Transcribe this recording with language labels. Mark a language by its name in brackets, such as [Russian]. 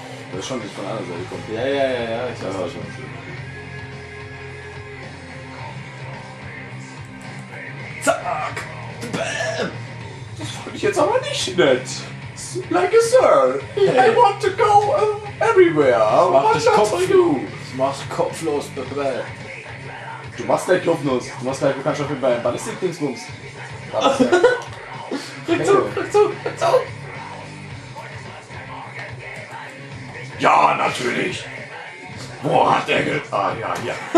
[German] Das ist schon nicht von einer Seite kommt. Ja, ich weiß das schon. Zack! Bäm! Das fand ich jetzt aber nicht nett! [English] Like a sir! Yeah. I want to go everywhere! [German] Mach das Kopf! Ich mach kopflos, bäm! Du machst gleich kopflos! Du machst gleich, du kannst auf jeden Fall einen Ballistik-Dingsbums! Rückzug! Ja, natürlich! Wo hat der ge... Ah, ja, hier!